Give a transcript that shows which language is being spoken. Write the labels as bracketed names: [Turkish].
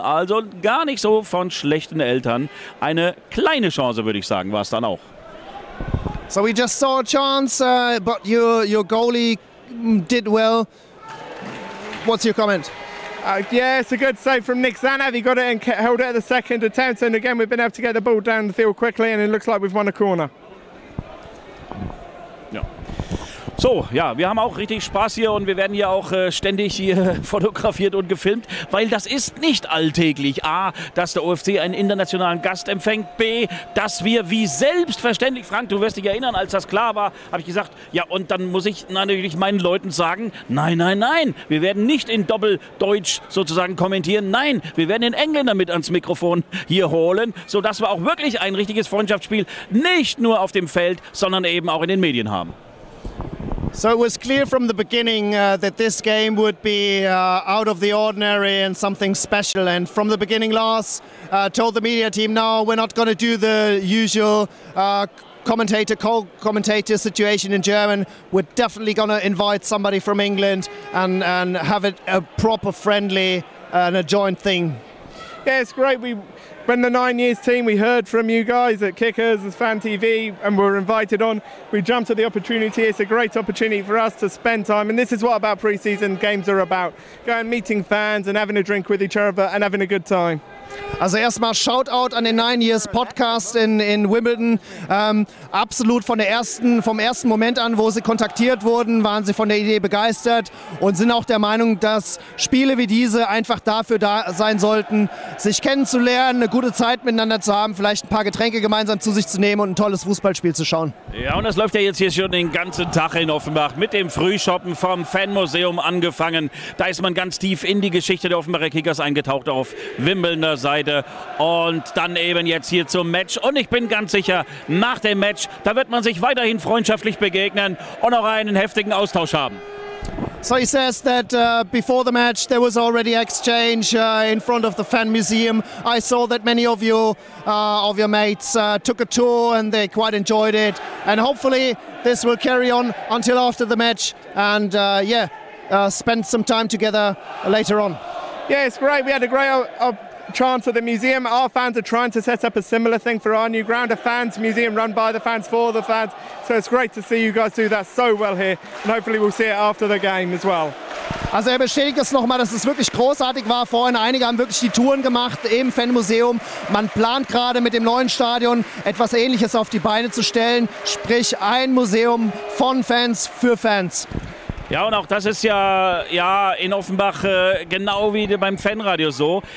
[German] Also gar nicht so von schlechten Eltern. Eine kleine Chance, würde ich sagen, war es dann auch. [English] So we just saw a chance, but your goalie did well. What's your comment? It's a good save from Nick Zanev. He got it and held it at the second attempt. And again, we've been able to get the ball down the field quickly, and it looks like we've won a corner. Yeah. [German] So, ja, wir haben auch richtig Spaß hier und wir werden hier auch ständig hier fotografiert und gefilmt, weil das ist nicht alltäglich. A, dass der OFC einen internationalen Gast empfängt. B, dass wir wie selbstverständlich, Frank, du wirst dich erinnern, als das klar war, habe ich gesagt, ja, und dann muss ich natürlich meinen Leuten sagen, nein, nein, nein, wir werden nicht in Doppeldeutsch sozusagen kommentieren. Nein, wir werden den Engländer mit ans Mikrofon hier holen, sodass wir auch wirklich ein richtiges Freundschaftsspiel nicht nur auf dem Feld, sondern eben auch in den Medien haben. [English] So it was clear from the beginning that this game would be out of the ordinary and something special. And from the beginning, Lars told the media team, no, we're not going to do the usual co-commentator situation in German. We're definitely going to invite somebody from England and have it a proper friendly and a joint thing. Yeah, it's great. When the 9 years team, we heard from you guys at Kickers, as Fan TV, and we were invited on. We jumped at the opportunity. It's a great opportunity for us to spend time. And this is what about pre-season games are about. Going meeting fans and having a drink with each other and having a good time. [German] Also erstmal Shoutout an den 9 Years Podcast in Wimbledon. Absolut vom ersten Moment an, wo sie kontaktiert wurden, waren sie von der Idee begeistert und sind auch der Meinung, dass Spiele wie diese einfach dafür da sein sollten, sich kennenzulernen, eine gute Zeit miteinander zu haben, vielleicht ein paar Getränke gemeinsam zu sich zu nehmen und ein tolles Fußballspiel zu schauen. Ja, und das läuft ja jetzt hier schon den ganzen Tag in Offenbach mit dem Frühshoppen vom Fanmuseum angefangen. Da ist man ganz tief in die Geschichte der Offenbacher Kickers eingetaucht auf Wimbledon. Seite und dann eben jetzt hier zum Match. Und ich bin ganz sicher, nach dem Match, da wird man sich weiterhin freundschaftlich begegnen und auch einen heftigen Austausch haben. [English] So he says that before the match there was already exchange in front of the fan museum. I saw that many of your mates took a tour and they quite enjoyed it. And hopefully this will carry on until after the match and spend some time together later on. Yeah, it's great. We had a great chance at the museum. Our fans are trying to set up a similar thing for our new ground, a fans museum run by the fans for the fans. So it's great to see you guys do that so well here, and hopefully we'll see it after the game as well. [German] Also er bestätigt es nochmal, dass es wirklich großartig war vorhin. Einige haben wirklich die Touren gemacht im Fanmuseum. Man plant gerade mit dem neuen Stadion etwas Ähnliches auf die Beine zu stellen, sprich ein Museum von Fans für Fans. Ja, und auch das ist ja in Offenbach genau wie beim Fanradio so.